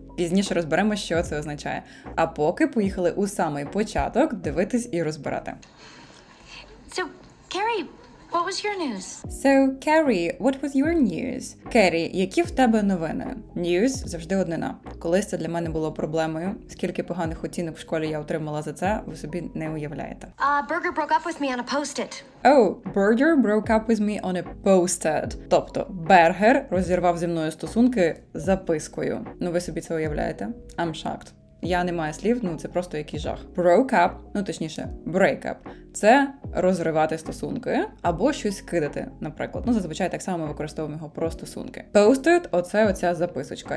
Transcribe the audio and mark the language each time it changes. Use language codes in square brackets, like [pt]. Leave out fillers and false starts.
[uk] Пізніше розберемо, що це означає. А поки поїхали у самий початок дивитись і розбирати. [en] So, Carrie, what was your news? So, Carrie, what was your news? Carrie, [uk] які в тебе новини? News завжди однина. Колись це для мене було проблемою. Скільки поганих оцінок в школі я отримала за це, ви собі не уявляєте. [en] Burger broke up with me on a post-it. Oh, Burger broke up with me on a post-it. [uk] Тобто, Бергер розірвав зі мною стосунки запискою. Ну, ви собі це уявляєте? [en] I'm shocked. [uk] Я не маю слів, ну це просто якийсь жах. Broke up, ну точніше, break up. Це розривати стосунки або щось кидати, наприклад. Ну зазвичай так само ми використовуємо його про стосунки. Post-it, оце оця записочка.